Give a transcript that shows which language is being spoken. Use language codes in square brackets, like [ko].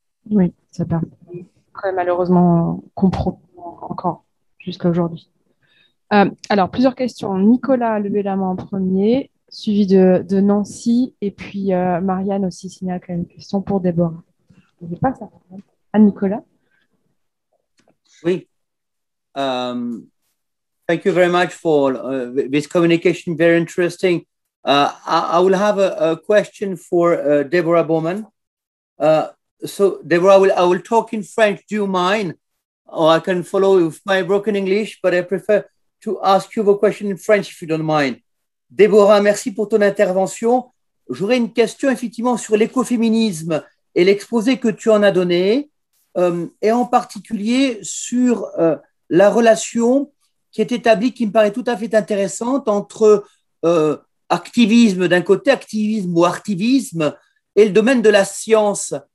[fr] Oui, ça permet malheureusement comprendre encore jusqu'à aujourd'hui. Alors, plusieurs questions. Nicolas a levé la main en premier, suivi de Nancy, et puis Marianne aussi signale quand même une question pour Déborah. Je n'ai pas ça. À Nicolas. Oui. [en] Thank you very much for this communication, very interesting. I will have a question for Déborah Bowman. So, Déborah, I will talk in French. Do you mind? Or I can follow with my broken English, but I prefer... to ask you the question in French, if you don't mind. [fr] Déborah, merci pour ton intervention. J'aurais une question, effectivement, sur l'écoféminisme et l'exposé que tu en as donné, et en particulier sur la relation qui est établie, qui me paraît tout à fait intéressante, entre activisme d'un côté, activisme ou artivisme, et le domaine de la science.